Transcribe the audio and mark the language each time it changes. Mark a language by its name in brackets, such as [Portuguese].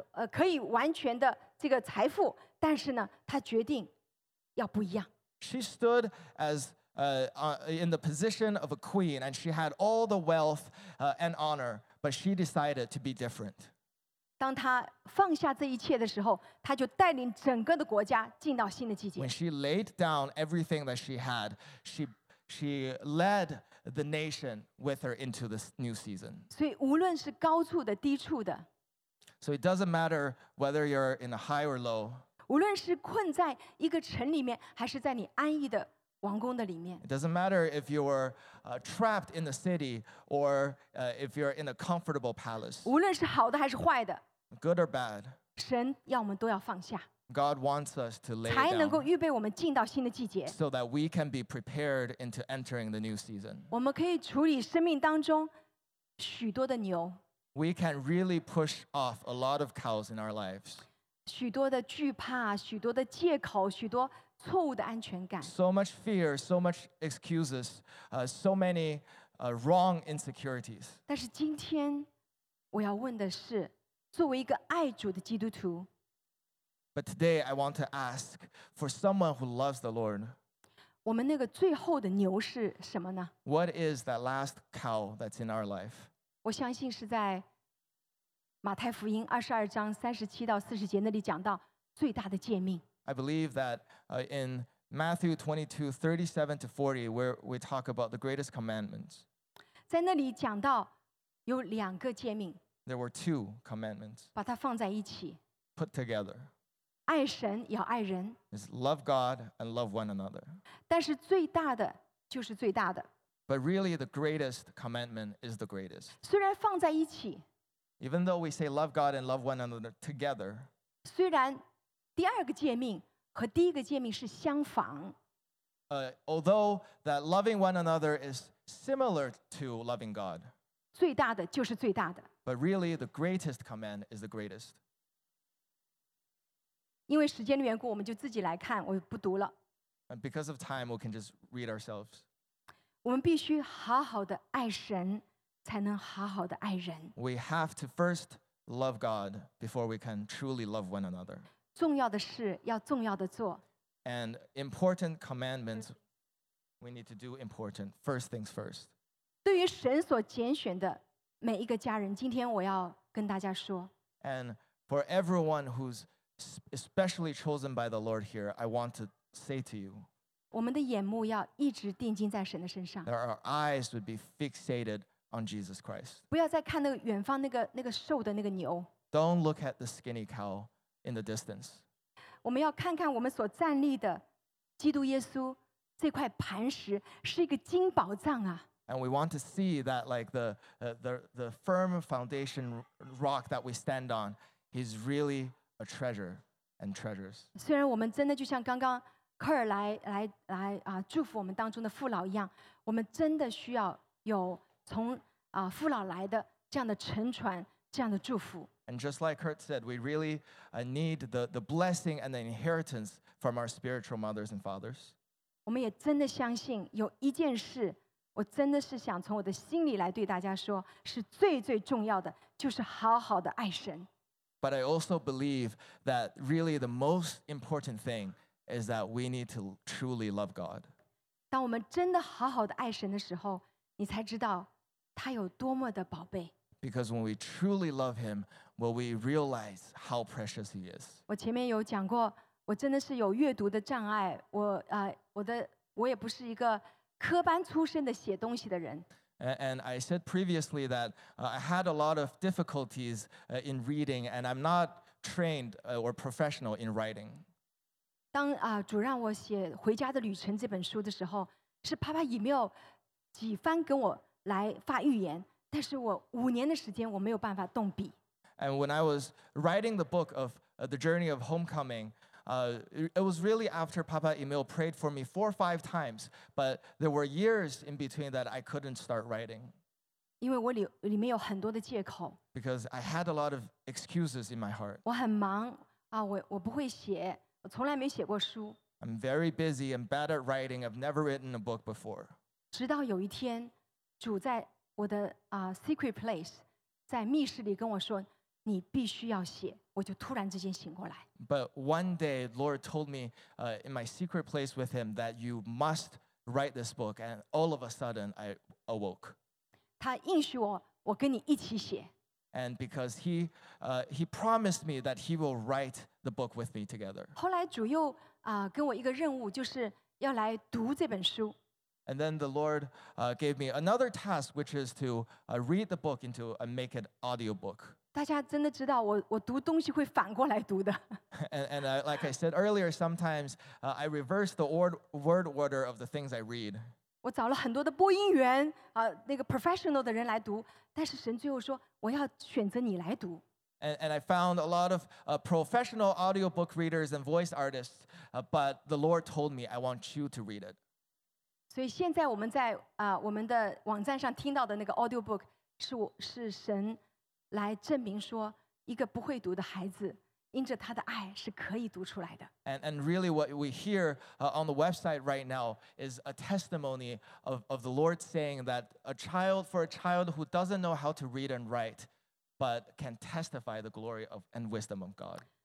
[Chinese] 可以完全的这个财富，但是呢，她决定要不一样。 [English] She stood as in the position of a queen, and she had all the wealth and honor, but she decided to be different. [Chinese] 当她放下这一切的时候，她就带领整个的国家进到新的季节。 [English] When she laid down everything that she had, she led the nation with her into this new season. [Chinese] 所以无论是高处的、低处的。 [English] So it doesn't matter whether you're in a high or low. [Chinese] 无论是困在一个城里面，还是在你安逸的王宫的里面。 [English] It doesn't matter if you're trapped in the city or if you're in a comfortable palace. [Chinese] 无论是好的还是坏的。 [English] Good or bad. [Chinese] 神要我们都要放下。 [English] God wants us to lay down. [Chinese] 才能够预备我们进到新的季节。 [English] So that we can be prepared into entering the new season. [Chinese] 我们可以处理生命当中许多的牛。 [English] We can really push off a lot of cows in our lives. [Chinese] 许多的惧怕，许多的借口，许多错误的安全感。 [English] So much fear, so much excuses, so many wrong insecurities. [Chinese] 但是今天我要问的是，作为一个爱主的基督徒。 [English] But today I want to ask for someone who loves the Lord. [Chinese] 我们那个最后的牛是什么呢？ [English] What is that last cow that's in our life? [Chinese] 我相信是在马太福音二十二章三十七到四十节那里讲到最大的诫命。 [English] I believe that in Matthew 22:37-40, where we talk about the greatest commandments. [Chinese] 在那里讲到有两个诫命。 [English] There were two commandments. [Chinese] 把它放在一起。 [English] Put together. [Chinese] 爱神要爱人。 [English] Is love God and love one another. [Chinese] 但是最大的就是最大的。 [English] But really, the greatest commandment is the greatest. [Chinese] 虽然放在一起, [English] Even though we say love God and love one another together, [Chinese] 虽然第二个诫命和第一个诫命是相仿, [English] although that loving one another is similar to loving God, [Chinese] 最大的就是最大的, [English] but really, the greatest command is the greatest. [Chinese] 因为时间的缘故,我们就自己来看,我不读了。 [English] And because of time, we can just read ourselves. [Chinese] 我们必须好好的爱神，才能好好的爱人。 [English] We have to first love God before we can truly love one another. [Chinese] 重要的事要重要的做。 [English] And important commandments, we need to do important. First things first. [Chinese] 对于神所拣选的每一个家人，今天我要跟大家说。 [English] And for everyone who's especially chosen by the Lord here, I want to say to you. [Chinese] 我们的眼目要一直定睛在神的身上。 [English] Our eyes would be fixated on Jesus Christ. [Chinese] 不要再看那个远方那个瘦的那个牛。 [English] Don't look at the skinny cow in the distance. [Chinese] 我们要看看我们所站立的基督耶稣这块磐石是一个金宝藏啊。 [English] And we want to see that like the firm foundation rock that we stand on, he's really a treasure and treasures. [Chinese] 虽然我们真的就像刚刚科尔来祝福我们当中的父老一样，我们真的需要有从父老来的这样的沉船，这样的祝福。 [English] And just like Kurt said, we really need the blessing and the inheritance from our spiritual mothers and fathers. [Chinese] 我们也真的相信有一件事，我真的是想从我的心里来对大家说，是最最重要的，就是好好的爱神。 [English] But I also believe that really the most important thing. Is that we need to truly love God. [Chinese] 当我们真的好好的爱神的时候，你才知道他有多么的宝贝。 [English] Because when we truly love Him, will we realize how precious He is? [Chinese] 我前面有讲过，我真的是有阅读的障碍。我也不是一个科班出身的写东西的人。 [English] And I said previously that I had a lot of difficulties in reading, and I'm not trained or professional in writing. [Chinese] 当主让我写《回家的旅程》这本书的时候，是啪啪 email 几番跟我来发预言，但是我五年的时间我没有办法动笔。 [English] And when I was writing the book of The Journey of Homecoming, It was really after Papa Emil prayed for me 4 or 5 times, but there were years in between that I couldn't start writing. Because I had a lot of excuses in my heart. [Chinese] 我很忙，我不会写，我从来没写过书。 [English] I'm very busy and bad at writing. I've never written a book before. [Chinese] 直到有一天，主在我的 [English] secret place， [Chinese] 在密室里跟我说，你必须要写，我就突然之间醒过来。 [English] But one day, Lord told me in my secret place with Him that you must write this book, and all of a sudden, I awoke. [Chinese] 他应许我，我跟你一起写。 [English] And because he promised me that he will write the book with me together. [Chinese] 后来主又 跟我一个任务，就是要来读这本书。 [English] And then the Lord gave me another task, which is to read the book into and make it audiobook. [Chinese] 大家真的知道，我读东西会反过来读的。 [English] And like I said earlier, sometimes I reverse the word order of the things I read. [Chinese] 我找了很多的播音员，那个 [English] professional [Chinese] 的人来读，但是神最后说，我要选择你来读。 [English] And I found a lot of professional audiobook readers and voice artists, but the Lord told me, I want you to read it. [Chinese] 所以现在我们在 我们的网站上听到的那个audiobook，是神来证明说，一个不会读的孩子，因着他的爱是可以读出来的。 [English] And really what we hear on the website right now is a testimony of the Lord saying that a child who doesn't know how to read and write, but can testify the glory of and wisdom of God.